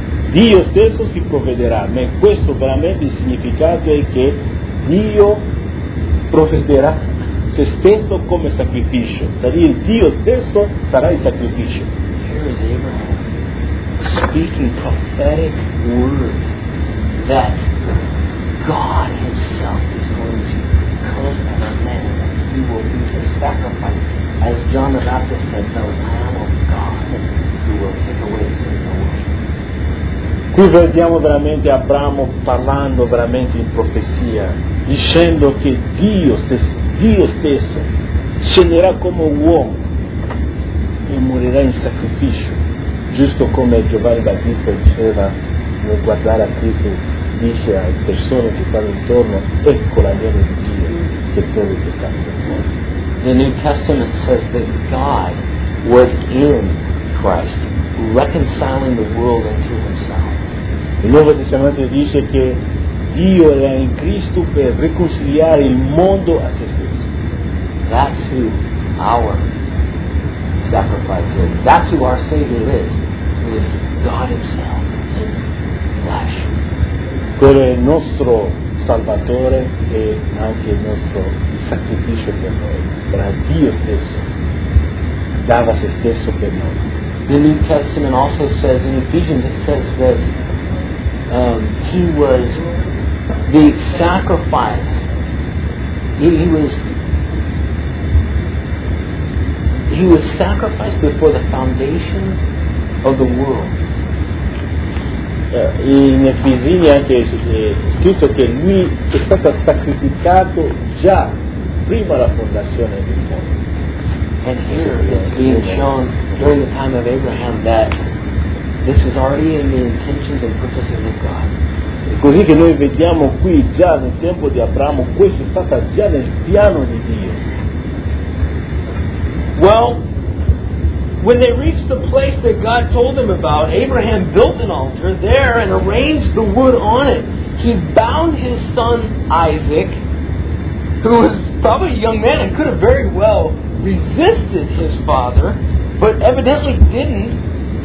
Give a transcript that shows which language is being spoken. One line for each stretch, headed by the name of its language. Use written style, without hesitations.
Italian: Dio stesso si provvederà, ma questo veramente il significato è che Dio provvederà se stesso come sacrificio, cioè Dio stesso sarà il sacrificio.
English: Here is Abraham speaking prophetic words that God himself is going to come as a man, that he will be the sacrifice, as John the Baptist said, the Lamb of God who will take away the sin of the world.
Italian: Qui vediamo veramente Abramo parlando veramente in profezia, dicendo che Dio stesso scenderà come uomo e morirà in sacrificio, giusto come Giovanni Battista diceva nel guardare a Cristo, dice alle persone che stanno intorno, ecco la mia di Dio che torna per tanto.
English: The New Testament says that God was in Christ, reconciling the world unto himself.
Italian: Il Nuovo Testamento dice che Dio era in Cristo per riconciliare il mondo a se stesso.
English: That's who our sacrifice is. That's who our Savior is. He is God himself in flesh.
Italian: Quello è il nostro Salvatore e anche il nostro sacrificio per noi. Era Dio stesso. Dava se stesso per noi.
English: The New Testament also says, in Ephesians it says that he was the sacrifice. He was sacrificed before the foundation of the world.
Italian: In Efesini anche è scritto che lui è stato sacrificato già prima la fondazione del mondo.
English: And here it's being shown during the time of Abraham that this is already in the intentions and purposes of God.
Italian: Così che noi vediamo qui già nel tempo di Abramo, questo è stato già nel piano di Dio.
English: Well, when they reached the place that God told them about, Abraham built an altar there and arranged the wood on it. He bound his son Isaac, who was probably a young man and could have very well resisted his father, but evidently didn't.